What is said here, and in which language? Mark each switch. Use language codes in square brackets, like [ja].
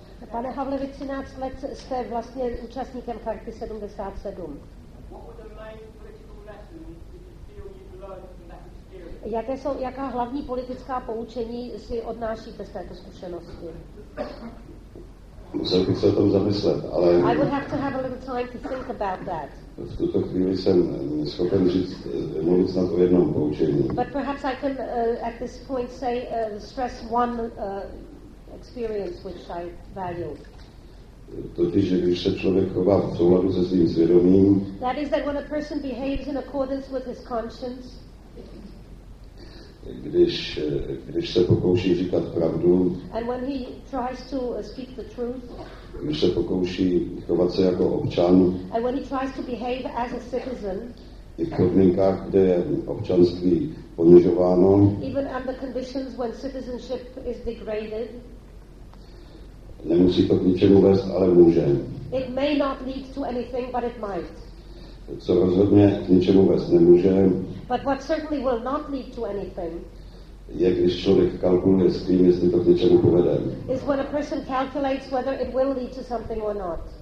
[cs] Pane Havle, vy 13 let jste vlastně účastníkem Charty 77. Jaká hlavní politická poučení si odnášíte z této zkušenosti? Musel bych se o tom zamyslet, ale... [en] I would have to have a little time to think about that. [cs] V tuto chvíli jsem schopen mluvit snad o jednom poučení. [en] But perhaps I can at this point say stress one experience which I value. [cs] Totiž, že když se člověk chová v souladu se svým svědomím... [en] That is that when a person behaves in accordance with his conscience... [cs] Když se pokouší říkat pravdu, [en] and when he tries to speak the truth, [cs] když se pokouší chovat se jako občan, [en] and when he tries to behave as a citizen, [cs] i v podmínkách, kde je občanství ponižováno, [en] even under conditions when citizenship is degraded, [cs] nemusí to k ničemu vést, ale může. [en] It may not lead to anything, but it might. [cs] Co rozhodně k ničemu vést nemůže. [en] But what certainly will not lead to anything. [cs] Je, když člověk kalkuluje s tím, jestli to k něčemu povede. [en] Is when a person calculates whether it will lead to something or not.